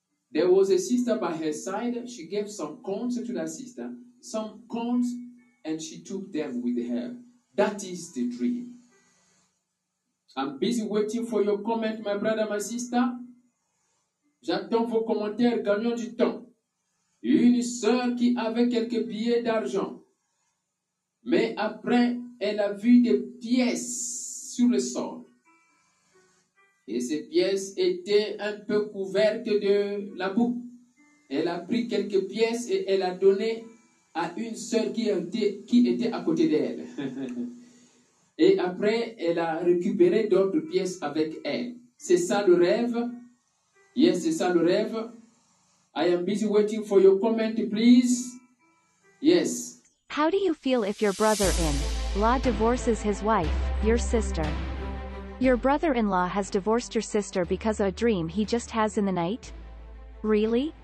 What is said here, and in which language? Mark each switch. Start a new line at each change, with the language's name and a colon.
English: There was a sister by her side. She gave some coins to that sister, some coins, and she took them with her. That is the dream. I'm busy waiting for your comment, my brother, my sister.
French: J'attends vos commentaires, gagnons du temps. Une sœur qui avait quelques billets d'argent, mais après, elle a vu des pièces sur le sol. Et ces pièces étaient un peu couvertes de la boue. Elle a pris quelques pièces et elle a donné à une sœur qui était à côté d'elle. Et après, elle a récupéré d'autres pièces avec elle. C'est ça le rêve. Yes, c'est ça le rêve.
English: I am busy waiting for your comment, please. Yes. How do you feel if your brother-in-law divorces his wife, your sister? Your brother-in-law has divorced your sister because of a dream he just has in the night? Really?